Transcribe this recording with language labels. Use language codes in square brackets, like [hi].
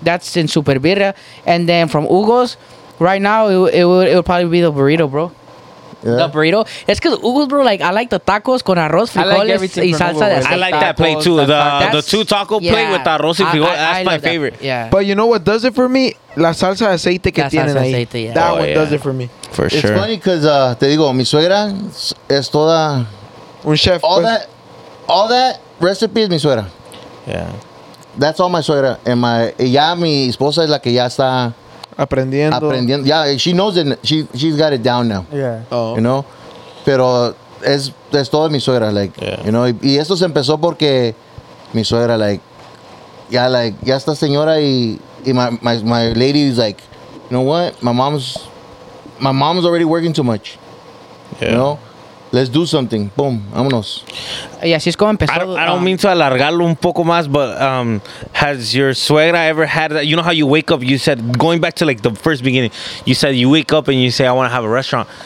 [en] That's in Super Birria. And then from Hugo's, right now it would probably be the burrito, bro. Yeah. The burrito. It's because Hugo's, bro, like, I like the tacos [es] con arroz, frijoles, [en] like, [es] y salsa. [en] I like that plate too. The two taco plate with [es] arroz y frijoles. [en] That's my favorite. That. Yeah. But you know what does it for me? [es] La salsa de aceite que tienen ahí. [en] Yeah. That one does it for me. For it's sure. It's funny because, [es] te digo, mi suegra es toda... Un chef. [en] All that recipe is mi suegra. Yeah. That's all my suegra. And [es] ya mi esposa es la que ya está... Aprendiendo. [en] Yeah, she knows it. She's got it down now. Yeah. Oh. You know? [es] Pero es todo mi suegra, like, [en] you know? [es] Y esto se empezó porque mi suegra, like, [en] ya, like, [es] ya esta señora y [en] my lady is like, you know what? My mom's already working too much. Yeah. You know? Let's do something. Boom. [es] Vámonos. Y así es como empezó. [en] I don't mean to [es] alargarlo un poco más, [en] but has your suegra ever had that? You know how you wake up, you said, going back to like the first beginning, you said you wake up and you say, I want to have a restaurant.